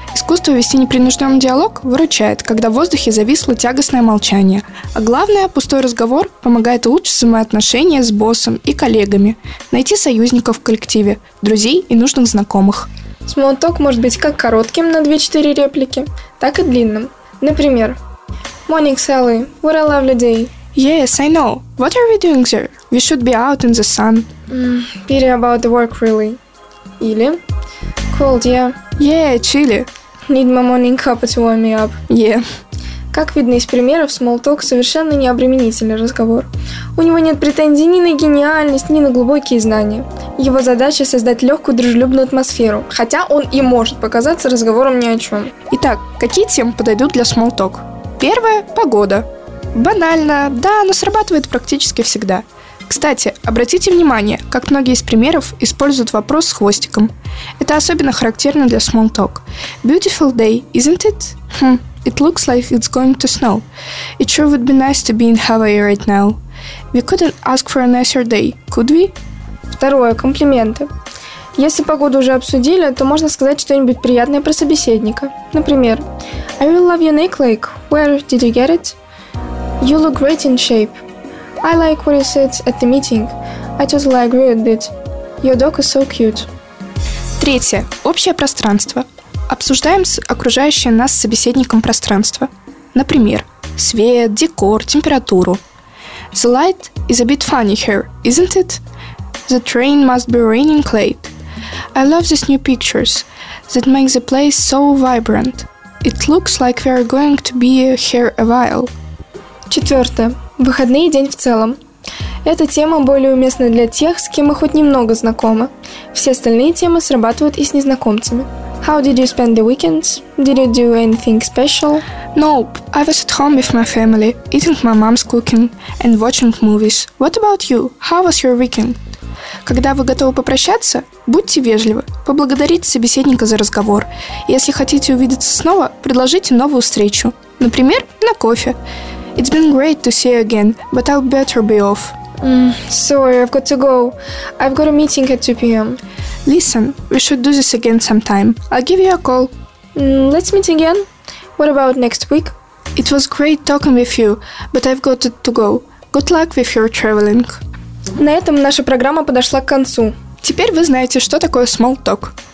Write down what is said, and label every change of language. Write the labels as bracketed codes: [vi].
[ru] Искусство вести непринужденный диалог выручает, когда в воздухе зависло тягостное молчание. А главное, пустой разговор помогает улучшить взаимоотношения с боссом и коллегами, найти союзников в коллективе, друзей и нужных знакомых. Small Talk может быть как коротким на 2-4 реплики, так и длинным. Например, [en] Morning Sally, what a lovely day. Yes, I know. What are we doing, sir? We should be out in the sun. Pity about the work, really. [ru] Или [en] cold, yeah. Yeah, chilly. Need my morning cup to warm me up. Yeah. [ru] Как видно из примеров, Small Talk совершенно не обременительный разговор. У него нет претензий ни на гениальность, ни на глубокие знания. Его задача – создать легкую дружелюбную атмосферу, хотя он и может показаться разговором ни о чем. Итак, какие темы подойдут для Small Talk? Первое – погода. Банально, да, но срабатывает практически всегда. Кстати, обратите внимание, как многие из примеров используют вопрос с хвостиком. Это особенно характерно для Small Talk. [en] Beautiful day, isn't it? It looks like it's going to snow. It sure would be nice to be in Hawaii right now. We couldn't ask for a nicer day, could we? [ru] Второе, комплименты. Если погоду уже обсудили, то можно сказать что-нибудь приятное про собеседника. Например, [en] I really love your necklace. Where did you get it? You look great in shape. I like what you said at the meeting. I totally agree with it. Your dog is so cute. [ru] Третье, общее пространство. Обсуждаем окружающее нас с собеседником пространство. Например, свет, декор, температуру. [en] The light is a bit funny here, isn't it? The train must be raining late. I love these new pictures that make the place so vibrant. It looks like we are going to be here a while. [ru] Четвертое. Выходные и день в целом. Эта тема более уместна для тех, с кем мы хоть немного знакомы. Все остальные темы срабатывают и с незнакомцами. [en] How did you spend the weekends? Did you do anything special? Nope. I was at home with my family, eating my mom's cooking and watching movies. What about you? How was your weekend? [ru] Когда вы готовы попрощаться, будьте вежливы, поблагодарите собеседника за разговор. Если хотите увидеться снова, предложите новую встречу. Например, на кофе. [en] It's been great to see you again, but I'll better be off. Sorry, I've got to go. I've got a meeting at 2 p.m. Listen, we should do this again sometime. I'll give you a call. Let's meet again. What about next week? It was great talking with you, but I've got to go. Good luck with your traveling. [ru] На этом наша программа подошла к концу. Теперь вы знаете, что такое small talk.